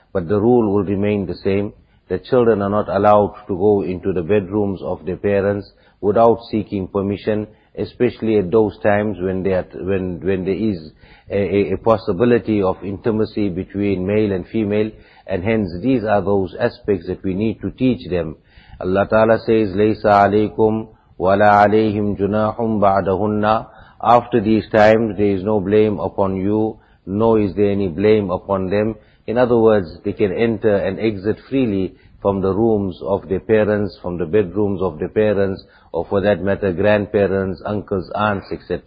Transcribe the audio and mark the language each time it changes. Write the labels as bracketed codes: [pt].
[en] But the rule will remain the same. The children are not allowed to go into the bedrooms of their parents without seeking permission, especially at those times when there is a possibility of intimacy between male and female. And hence these are those aspects that we need to teach them. Allah Ta'ala says, [ar] لَيْسَ عَلَيْكُمْ وَلَا عَلَيْهِمْ جُنَاحٌ بَعْدَهُنَّ. [en] After these times, there is no blame upon you, nor is there any blame upon them. In other words, they can enter and exit freely from the rooms of their parents, from the bedrooms of their parents, or for that matter, grandparents, uncles, aunts, etc.